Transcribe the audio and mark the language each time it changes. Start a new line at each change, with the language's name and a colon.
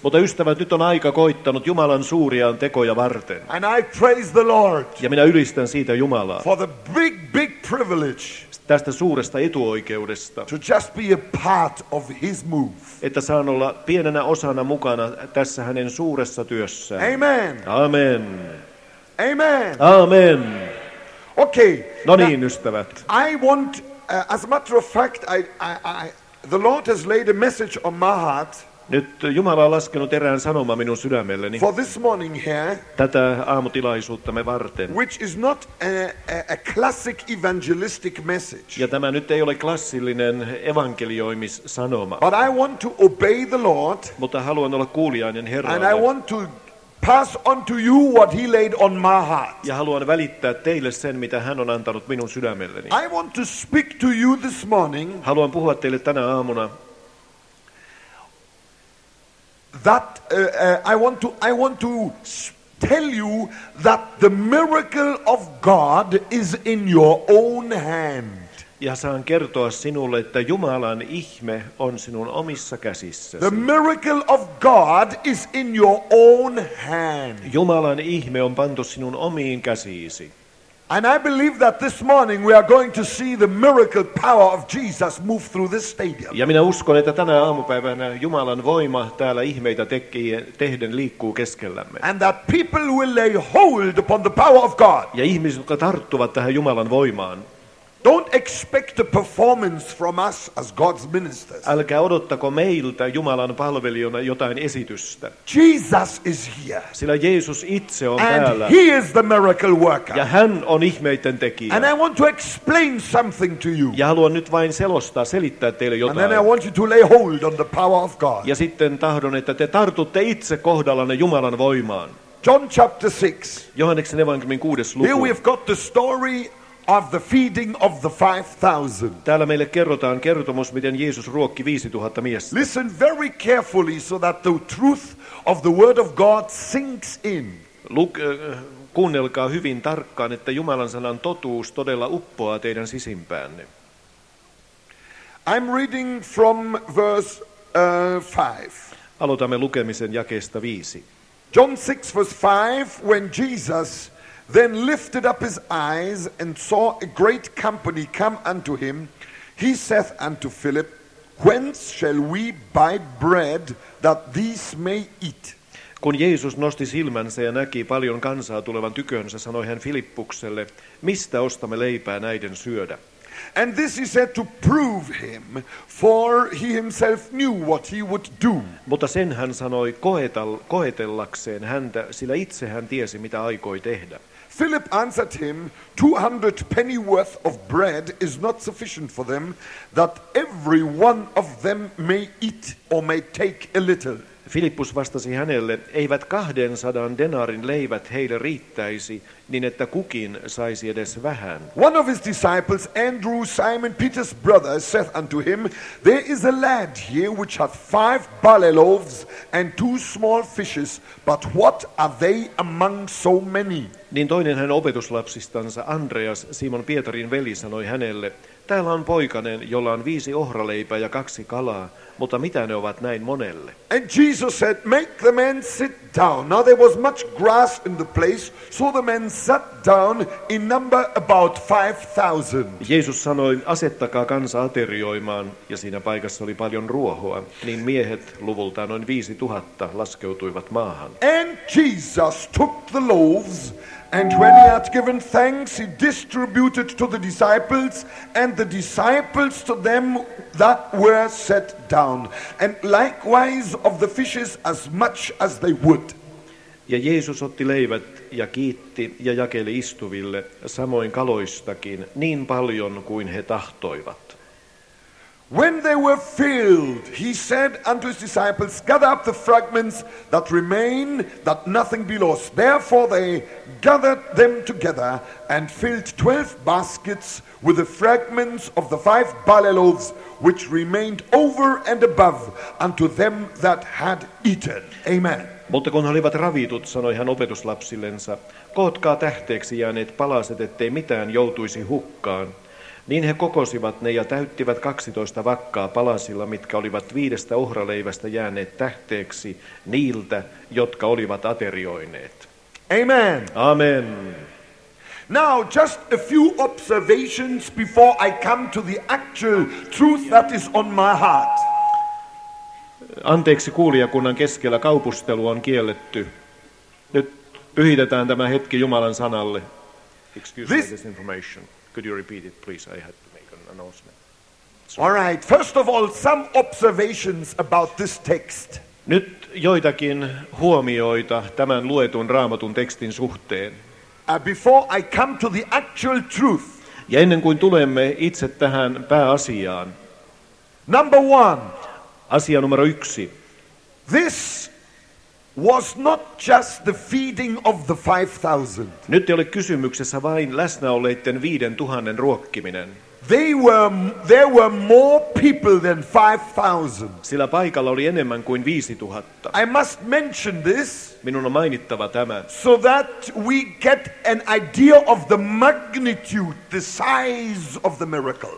Finnish: Mutta ystävät, nyt on aika koittanut Jumalan suuria tekoja varten.
English: And I praise the Lord.
Finnish: Ja minä ylistän siitä Jumalaa.
English: For the big, big privilege.
Finnish: Tästä suuresta etuoikeudesta.
English: To just be a part of his move.
Finnish: Että saan olla pienenä osana mukana tässä hänen suuressa työssään.
English: Amen. Amen. Amen. Amen. Okay.
Finnish: No niin, ystävät.
English: I want, as a matter of fact, I the Lord has laid a message on my heart.
Finnish: Nyt Jumala on laskenut erään sanoman minun sydämelleni.
English: For this morning here.
Finnish: Tätä aamutilaisuuttamme varten.
English: Which is not a classic evangelistic message.
Finnish: Ja tämä nyt ei ole klassillinen evankelioimissanoma.
English: But I want to obey the Lord.
Finnish: Mutta haluan olla kuulijainen Herralle.
English: And I want to pass on to you what he laid on my heart.
Finnish: Ja haluan välittää teille sen, mitä hän on antanut minun sydämelleni.
English: I want to speak to you this morning.
Finnish: Haluan puhua teille tänä aamuna.
English: That I want to tell you that the miracle of God is in your own hand.
Finnish: Ja saan kertoa sinulle, että Jumalan ihme on sinun omissa käsissäsi.
English: The miracle of God is in your own hand.
Finnish: Jumalan ihme on pantu sinun omiin käsiisi.
English: And I believe that this morning we are going to see the miracle power of Jesus move through this stadium.
Finnish: Ja minä uskon, että tänä aamupäivänä Jumalan voima täällä ihmeitä tehden liikkuu keskellämme.
English: And that people will lay hold upon the power of God.
Finnish: Ja ihmiset, jotka tarttuvat tähän Jumalan voimaan.
English: Don't expect a performance from us as God's ministers.
Finnish: Älkää odottako meiltä Jumalan palvelijana jotain esitystä.
English: Jesus is here.
Finnish: Sillä Jeesus itse on
English: and
Finnish: täällä.
English: And he is the miracle worker.
Finnish: Ja hän on ihmeiden tekijä.
English: And I want to explain something to you.
Finnish: Ja haluan nyt vain selittää teille jotain.
English: And then I want you to lay hold on the power of God.
Finnish: Ja sitten tahdon, että te tartutte itse kohdallanne Jumalan voimaan.
English: John chapter 6.
Finnish: Johanneksen evankeliumin 6. luku.
English: Here we've got the story of the feeding of the 5,000.
Finnish: Täällä meille kerrotaan kertomus, miten Jeesus ruokki 5,000 miestä.
English: Listen very carefully so that the truth of the word of God sinks in.
Finnish: Kuunnelkaa hyvin tarkkaan, että Jumalan sanan totuus todella uppoaa teidän sisimpäänne.
English: I'm reading from verse 5.
Finnish: Aloitamme lukemisen jakeesta 5.
English: John 6 verse 5, when Jesus then lifted up his eyes and saw a great company come unto him. He saith unto Philip, whence shall we buy bread that these may eat?
Finnish: Kun Jeesus nosti silmänsä ja näki paljon kansaa tulevan tykönsä, sanoi hän Filippukselle, mistä ostamme leipää näiden syödä?
English: And this he said to prove him, for he himself knew what he would do.
Finnish: Mutta sen hän sanoi koetellakseen häntä, sillä itse hän tiesi, mitä aikoi tehdä.
English: Philip answered him, 200 pennyworth of bread is not sufficient for them, that every one of them may eat or may take a little.
Finnish: Filippus vastasi hänelle, eivät 200 denarin leivät heille riittäisi, niin että kukin saisi edes vähän.
English: One of his disciples, Andrew, Simon Peter's brother, saith unto him, there is a lad here which hath 5 barley loaves and 2 small fishes, but what are they among so many?
Finnish: Niin toinen hän opetuslapsistansa, Andreas, Simon Pietarin veli, sanoi hänelle, täällä on poikanen, jolla on 5 ohraleipää ja 2 kalaa, mutta mitä ne ovat näin monelle?
English: And Jesus said, make the man sit down. Now there was much grass in the place, so the man sat down in number about 5,000.
Finnish: Jeesus sanoi, asettakaa kansa aterioimaan, ja siinä paikassa oli paljon ruohoa, niin miehet luvultaan noin 5,000 laskeutuivat maahan.
English: And Jesus took the loaves, and when he had given thanks, he distributed to the disciples, and the disciples to them that were set down, and likewise of the fishes as much as they would.
Finnish: Ja Jeesus otti leivät ja kiitti ja jakeli istuville, samoin kaloistakin, niin paljon kuin he tahtoivat.
English: When they were filled, he said unto his disciples, gather up the fragments that remain, that nothing be lost. Therefore they gathered them together and filled 12 baskets with the fragments of the 5 barley loaves, which remained over and above unto them that had eaten. Amen.
Finnish: Mutta kun he olivat ravitut, sanoi hän opetuslapsillensa, kootkaa tähteeksi jääneet palaset, ettei mitään joutuisi hukkaan. Niin he kokosivat ne ja täyttivät 12 vakkaa palasilla, mitkä olivat 5 ohraleivästä jääneet tähteeksi niiltä, jotka olivat aterioineet.
English: Amen. Amen. Now, just a few observations before I come to the actual truth that is on my heart.
Finnish: Anteeksi, kuulijakunnan keskellä kaupustelu on kielletty. Nyt pyhitetään tämä hetki Jumalan sanalle.
English: Excuse this... me, this information. Could you repeat it, please? I had to make an announcement. Sorry. All right. First of all, some observations about this text.
Finnish: Nyt joitakin huomioita tämän luetun Raamatun tekstin suhteen.
English: Before I come to the actual truth.
Finnish: Ja ennen kuin tulemme itse tähän pääasiaan.
English: Number one.
Finnish: Asia numero 1.
English: This was not just the feeding of the 5,000.
Finnish: Nyt ei ole kysymyksessä vain läsnäolleiden 5,000 ruokkiminen.
English: There were more people than 5,000.
Finnish: Sillä paikalla oli enemmän kuin 5,000.
English: I must mention this.
Finnish: Minun on mainittava tämä.
English: So that we get an idea of the magnitude, the size of the miracle.